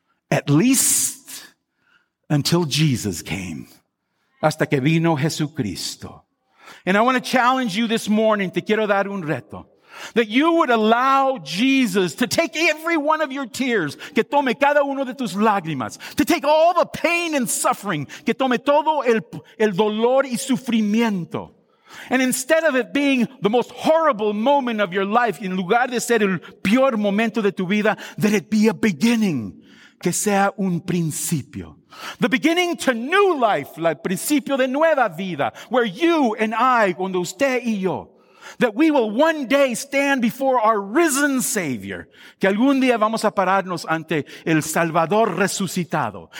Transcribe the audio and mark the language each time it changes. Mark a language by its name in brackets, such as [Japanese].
[English] At least until Jesus came. [Spanish] Hasta que vino Jesucristo. [English] And I want to challenge you this morning. [Spanish] Te quiero dar un reto. [English] That you would allow Jesus to take every one of your tears. [Spanish] Que tome cada uno de tus lágrimas. [English] To take all the pain and suffering. [Spanish] Que tome todo el dolor y sufrimiento. [English] And instead of it being the most horrible moment of your life, [Spanish] en lugar de ser el peor momento de tu vida, [English] that it be a beginning, [Spanish] que sea un principio. [English] The beginning to new life, [Spanish] el principio de nueva vida, [English] where you and I, [Spanish] cuando usted y yo, [English] that we will one day stand before our risen Savior, [Spanish] que algún día vamos a pararnos ante el Salvador resucitado.